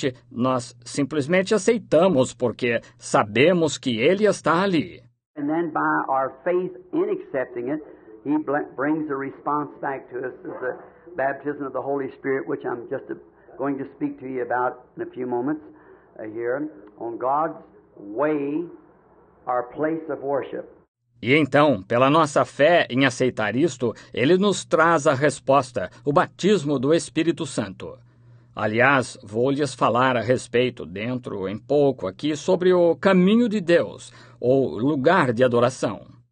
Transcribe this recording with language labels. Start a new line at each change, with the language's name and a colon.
Portuguese: Nós simplesmente aceitamos porque sabemos que Ele está ali.
English: And then by our faith in accepting it, He brings a response back to us as the baptism of the Holy Spirit, which I'm just going to speak to you about in a few moments here, on God's way, our place of worship.
Portuguese: E então, pela nossa fé em aceitar isto, Ele nos traz a resposta, o batismo do Espírito Santo. Aliás, vou-lhes falar a respeito dentro em pouco aqui sobre o caminho de Deus, ou lugar de adoração.